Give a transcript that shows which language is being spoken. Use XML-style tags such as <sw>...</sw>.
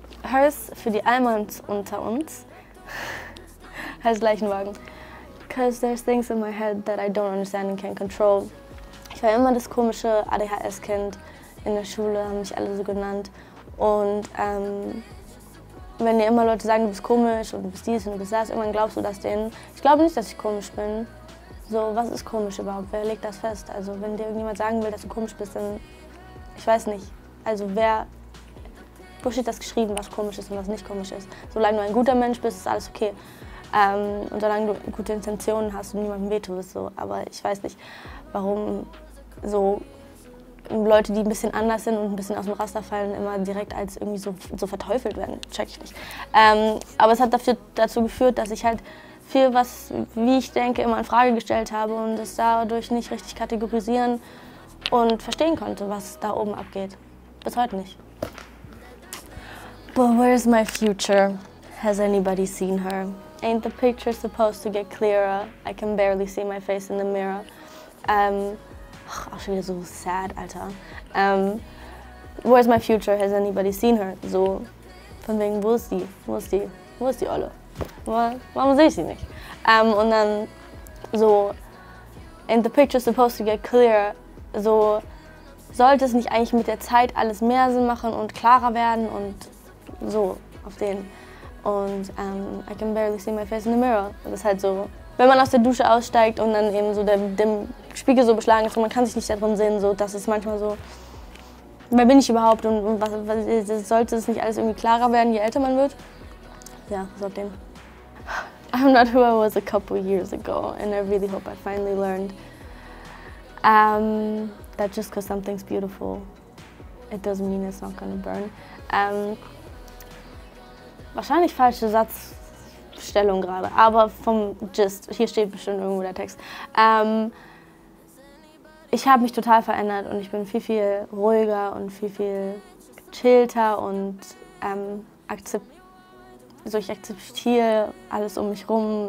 <de>Hearse für die Almans unter uns heißt Leichenwagen.</de> <en>Because there's things in my head that I don't understand and can't control.</en> <de>Ich war immer das komische ADHS-Kind in der Schule, haben mich alle so genannt. Und wenn dir immer Leute sagen, du bist komisch und du bist dies und du bist das, irgendwann glaubst du das denen. Ich glaube nicht, dass ich komisch bin. So, was ist komisch überhaupt? Wer legt das fest? Also, wenn dir irgendjemand sagen will, dass du komisch bist, dann, ich weiß nicht. Also, wo steht das geschrieben, was komisch ist und was nicht komisch ist? Solange du ein guter Mensch bist, ist alles okay. Und solange du gute Intentionen hast und niemandem wehtust, so. Aber ich weiß nicht, warum so Leute, die ein bisschen anders sind und ein bisschen aus dem Raster fallen, immer direkt als irgendwie so verteufelt werden. Check ich nicht. Aber es hat dazu geführt, dass ich halt viel, was, wie ich denke, immer in Frage gestellt habe und es dadurch nicht richtig kategorisieren und verstehen konnte, was da oben abgeht. Bis heute nicht.</de> <en>But where's my future? Has anybody seen her? Ain't the picture supposed to get clearer? I can barely see my face in the mirror.</en> <de>Auch schon wieder so sad, Alter.</de> <en>Where's my future? Has anybody seen her?</en> <de>So, von wegen, wo ist die? Wo ist die? Wo ist die Olle? Warum sehe ich sie nicht? Und dann so,</de> <en>ain't the picture supposed to get clearer?</en> <de>So, sollte es nicht eigentlich mit der Zeit alles mehr Sinn machen und klarer werden und so, auf den.</de> <en>Und I can barely see my face in the mirror.</en> <de>Das ist halt so, wenn man aus der Dusche aussteigt und dann eben so dem Spiegel so beschlagen ist und man kann sich nicht darin sehen, so, das ist manchmal so, wer bin ich überhaupt und was sollte es nicht alles irgendwie klarer werden, je älter man wird? Ja, so auf den.</de> <en>I'm not who I was a couple years ago and I really hope I finally learned that just because something's beautiful, it doesn't mean it's not gonna burn.</en> <de>Wahrscheinlich falsche Satzstellung gerade, aber vom Gist, hier steht bestimmt irgendwo der Text. Ich habe mich total verändert und ich bin viel, viel ruhiger und viel, viel chillter und ich akzeptiere alles um mich rum.</de>